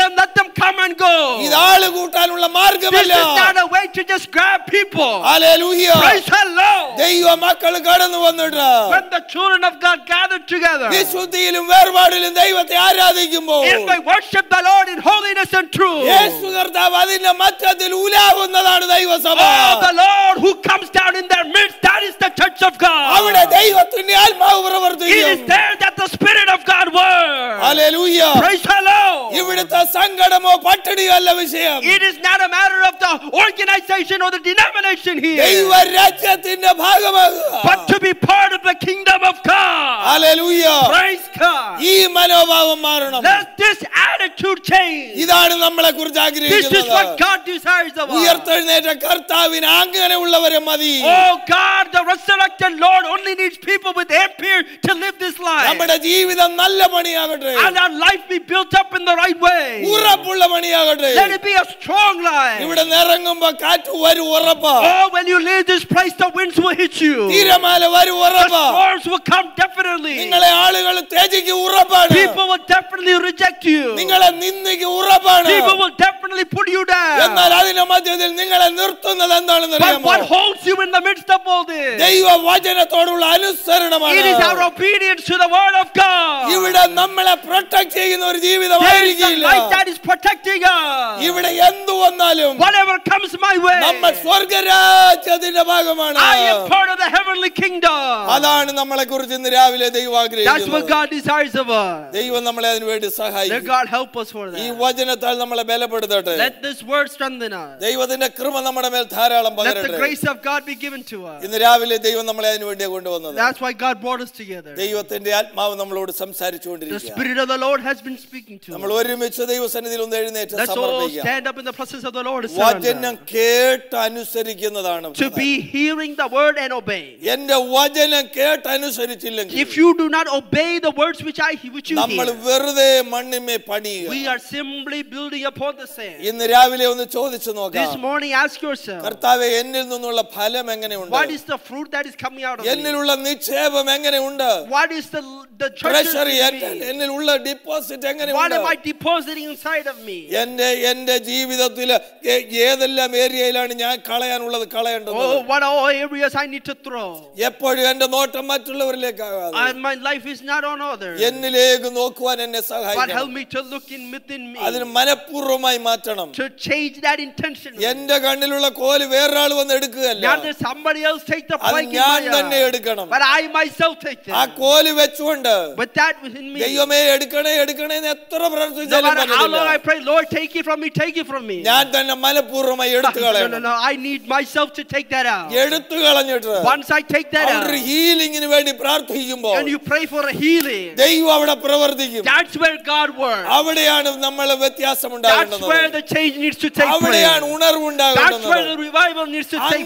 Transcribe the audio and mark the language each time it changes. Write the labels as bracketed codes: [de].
[en] Let them come and go. [ml] ഇത് ആളെ കൂട്ടാനുള്ള മാർഗ്ഗമല്ല. [en] This is not a way to just grab people. Hallelujah. Praise the Lord. [ml] ദൈവ മക്കൾ കടന്നു വന്നിട്ട്. [en] When the children of God gather together. [ml] വിശുദ്ധിയിലും ർവാടിലും ദൈവത്തെ ആരാധിക്കുമ്പോൾ, [en] if I worship the Lord in holiness and truth, [ml] യേശു കർത്താവ് അതിന്റെ മധ്യത്തിൽ ഉലാവുന്നതാണ് ദൈവസഭ. [en] The Lord who comes down in their midst, that is the church of God. [ml] അവിടെ ദൈവത്തിന്റെ ആത്മാവ് പ്രവർത്തിക്കുന്നു. [en] It is there that the spirit of God works. Hallelujah. Praise the Lord. [ml] ഇവിടുത്തെ സംഘടമോ പട്ടിണിയോ അല്ല വിഷയം. [en] It is not a matter of the organization or the denomination here. [ml] ദൈവ രാജ്യത്തിന്റെ ഭാഗമാകുക. [en] But to be part of the kingdom of God. Hallelujah. Praise God. [ml] ഈ മനോഭാവം മാറണം. [en] Let this attitude change. [ml] ഇതാണ് നമ്മളെ കുറിച്ച് ആഗ്രഹിക്കുന്നത്. [en] This is what God desires of us. [ml] ഉയർത്തെഴുന്നേറ്റ കർത്താവിനെ അങ്ങനെയുള്ളവരെ മതി. [en] Oh God, the resurrected Lord only needs people with empire to live this life. [ml] നമ്മുടെ ജീവിതം നല്ല പണിയാകട്ടെ. [en] And our life be built up in the right way. [ml] ഉറപ്പുള്ള പണിയാകട്ടെ. [en] Let it be a strong life. [ml] ഇവിടെ നിറങ്ങുമ്പോൾ കാറ്റ് വരും ഉറപ്പാ. [en] Oh, when you leave this place, the winds will hit you. [ml] തിരമാല വരും ഉറപ്പാ. [en] The storms will come definitely. [ml] നിങ്ങളെ ആളുകൾ തേജിക്ക് ഉറപ്പാണ്. [en] People will definitely reject you. [ml] നിങ്ങളെ നിന്ദിക്ക് ഉറപ്പാണ്. [en] People will definitely put you down. [ml] എന്നാൽ അതിന്റെ മധ്യത്തിൽ നിങ്ങളെ നിർത്തുന്നത് എന്താണെന്ന് അറിയാമോ? [en] But what holds you in the midst of all this? [ml] ദൈവ വചനത്തോടുള്ള അനുസരണമാണ്. [en] It is our obedience to the word of God. [ml] ഇവിടെ നമ്മളെ പ്രൊട്ടക്ട് ചെയ്യുന്ന ഒരു ജീവിതമായിരിക്കില്ല. [en] There is a light that is protecting us. [ml] ഇവിടെ എന്തു വന്നാലും, [en] whatever comes my way, [ml] നമ്മൾ സ്വർഗരാജ്യത്തിന്റെ ഭാഗമാണ്. [en] I am part of the heavenly kingdom. [ml] അതാണ് നമ്മളെക്കുറിച്ച് ഇന്ന് രാവിലെ ദൈവം ആഗ്രഹിക്കുന്നത്. [en] God desires of us. [ml] ദൈവം നമ്മളെ അതിനു വേണ്ടി സഹായിക്കും. [en] Let God help us for that. [ml] ഈ വചനത്താൽ നമ്മളെ ബലപ്പെടുത്തട്ടെ. [en] Let this word strengthen us. [ml] ദൈവത്തിന്റെ കൃപ നമ്മുടെ മേൽ ധാരാളം പകരട്ടെ. [en] Let the grace of God be given to us. [ml] ഇന്ന് രാവിലെ ദൈവം നമ്മളെ അതിനു വേണ്ടി കൊണ്ടുവന്നത്. [en] That's why God brought us together. [ml] ദൈവത്തിന്റെ ആത്മാവ് നമ്മളോട് സംസാരിച്ചുകൊണ്ടിരിക്കുകയാണ്. [en] The spirit of the Lord has been speaking to us. [ml] നമ്മൾ ഒരുമിച്ച് ദൈവസന്നിധിയിൽ ഒന്ന് എഴുന്നേറ്റ് സമർപ്പിക്കുക. [en] Let's all stand up in the presence of the Lord. [ml] വചനം കേട്ട് അനുസരിക്കുന്നതാണ്. [en] To be hearing the word and obeying. [ml] എന്റെ വചനം കേട്ട് അനുസരിച്ചില്ലെങ്കിൽ, [en] if you do not obey the words which you hear, we are simply building upon the sand. [ml] ഇന്ന് രാവിലെ ഒന്ന് ചോദിച്ചു നോക്കുക. [en] This morning ask yourself, [ml] കർത്താവേ എന്നിൽ നിന്നുള്ള ഫലം എങ്ങനെയുണ്ട്? [en] What is the fruit that is coming out of me? [ml] എന്നിലുള്ള നിക്ഷേപം എങ്ങനെയുണ്ട്? [en] What is the [ml] treasure എന്നിലുള്ള ഡിപ്പോസിറ്റ് എങ്ങനെയുണ്ട്? [en] What am I depositing inside of me? [ml] എന്റെ ജീവിതത്തിലെ ഏതെല്ലാം ഏരിയയിലാണ് ഞാൻ കളയാനുള്ളത് കളയേണ്ടത്? [en] Oh, what are all areas I need to throw? [ml] എപ്പോഴും എന്റെ നോട്ടം മറ്റുള്ളവരിലേക്കാകാതെ, [en] and my life is not on others. [ml] എന്നിലേക്ക് നോക്കുവാൻ എന്നെ സഹായിക്കണം. [en] But help me to look in within me. [ml] അതിന് മനപൂർവമായി മാറ്റണം. [en] To change that intention. [ml] എന്റെ കണ്ണിലുള്ള കോല് വേറൊരാൾ വന്ന് എടുക്കുകയല്ല. [en] Not somebody else take the plank. [ml] ഞാൻ തന്നെ എടുക്കണം. [en] But I myself take it. [ml] ആ കോല് വെച്ചുകൊണ്ട്, [en] but that within me. [ml] ദൈവമേ എടുക്കണേ എടുക്കണേ എന്ന് എത്ര പ്രാർത്ഥിച്ചാലും പറ്റില്ല. [en] How long I pray, Lord, take it from me, take it from me. [ml] ഞാൻ തന്നെ മനപൂർവമായി എടുത്തു കളയണം. [en] No, I need myself to take that out. [ml] എടുത്തു കളഞ്ഞിട്ട്, [en] once I take that out, [ml] ഒരു ഹീലിംഗിന് വേണ്ടി പ്രാർത്ഥിക്കുമ്പോൾ, [en] and you pray for a healing, [ml] ദൈവം അവിടെ പ്രവർത്തിക്കും. [en] That's where God works. [ml] അവിടെയാണ് നമ്മൾ വ്യത്യാസം ഉണ്ടാകുന്നത്. [en] That's where the change needs to take place. [ml] അവിടെയാണ് ഉണർവ് ഉണ്ടാകുന്നത്. [en] That's where the revival needs to take place.